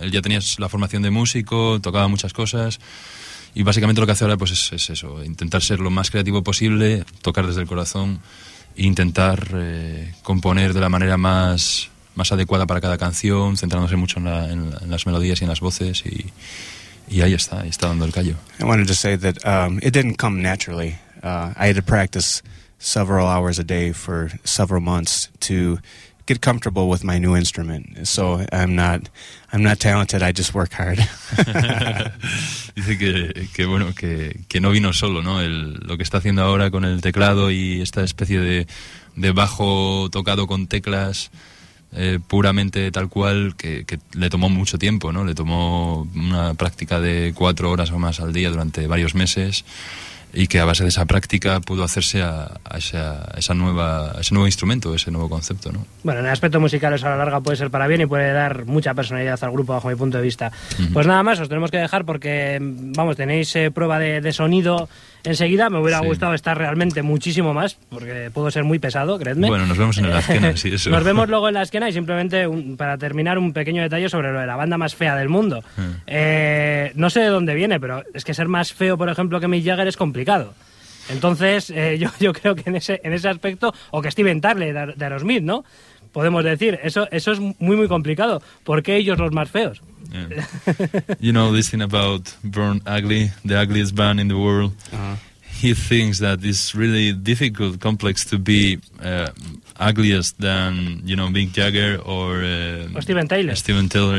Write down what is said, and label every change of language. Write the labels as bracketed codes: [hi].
[es] Él ya tenía la formación de músico, tocaba muchas cosas. Y básicamente lo que hace ahora pues es eso, intentar ser lo más creativo posible, tocar desde el corazón, intentar componer de la manera más adecuada para cada canción, centrándose mucho en las melodías y en las voces, y ahí está dando el callo. [en] I wanted to say that it didn't come naturally. I had to practice several hours a day for several months to get comfortable with my new instrument, so I'm not talented. I just work hard. [es] Dice que bueno que no vino solo, ¿no? Lo que está haciendo ahora con el teclado y esta especie de bajo tocado con teclas puramente tal cual que le tomó mucho tiempo, ¿no? Le tomó una práctica de 4 horas o más al día durante varios meses. Y que a base de esa práctica pudo hacerse a ese nuevo instrumento, ese nuevo concepto, ¿no? Bueno, en el aspecto musical eso a la larga puede ser para bien y puede dar mucha personalidad al grupo, bajo mi punto de vista. Uh-huh. Pues nada más, os tenemos que dejar porque, vamos, tenéis prueba de sonido enseguida. Me hubiera gustado estar realmente muchísimo más, porque puedo ser muy pesado, creedme. Bueno, nos vemos en la esquina, sí, eso. Nos vemos luego en la esquina y simplemente, para terminar, un pequeño detalle sobre lo de la banda más fea del mundo. Uh-huh. No sé de dónde viene, pero es que ser más feo, por ejemplo, que Mick Jagger es complicado. Entonces, yo creo que en ese aspecto, o que Steven Tyler de Aerosmith, ¿no? Podemos decir, eso es muy, muy complicado. ¿Por qué ellos los más feos? [en] Yeah. You know, this thing about Born Ugly, the ugliest band in the world, he thinks that it's really difficult, complex to be ugliest than, you know, Mick Jagger or Steven Tyler,